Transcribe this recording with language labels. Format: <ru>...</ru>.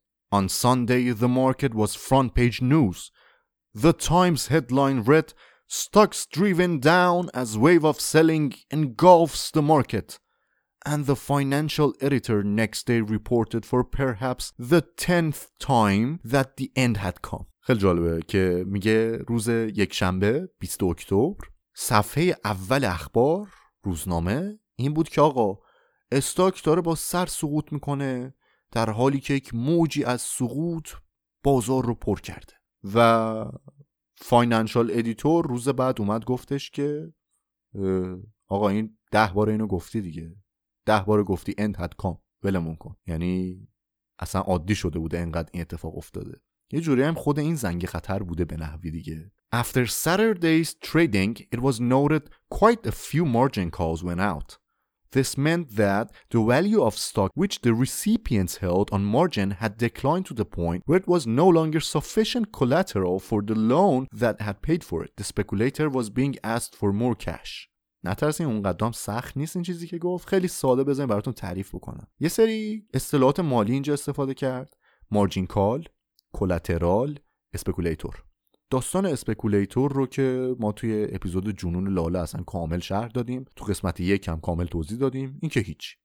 <en>On Sunday, the market was front page news. The Times headline read, "Stocks driven down as wave of selling engulfs the market." And the financial editor next day reported for perhaps the 10th time that the end had come.</en> <fa>خیلی جالبه که میگه روز یک شنبه 20 اکتبر صفحه اول اخبار روزنامه این بود که آقا استاک داره با سر سقوط میکنه، در حالی که یک موجی از سقوط بازار رو پر کرده. و فاینانشال ادیتور روز بعد اومد گفتش که آقا این 10 بار اینو گفتی دیگه، 10 بار گفتی اند هات کام، ولمون کن، یعنی اصلا عادی شده بوده انقدر این اتفاق افتاده. یه جوری هم خود این زنگ خطر بوده به نحوی دیگه.</fa> <en>After Saturday's trading, it was noted quite a few margin calls went out. This meant that the value of stock which the recipients held on margin had declined to the point where it was no longer sufficient collateral for the loan that had paid for it. The speculator was being asked for more cash.</en> <fa>نترسین، اون قدام سخت نیست این چیزی که گفت، خیلی ساده بذاریم براتون تعریف بکنم. یه سری اصطلاحات مالی اینجا استفاده کرد: مارجین کال، کلاترال، اسپکولیتور. داستان اسپکولیتور رو که ما توی اپیزود جنون لاله اصلا کامل شرح دادیم، تو قسمت یک هم کامل توضیح دادیم، این که هیچ.</fa>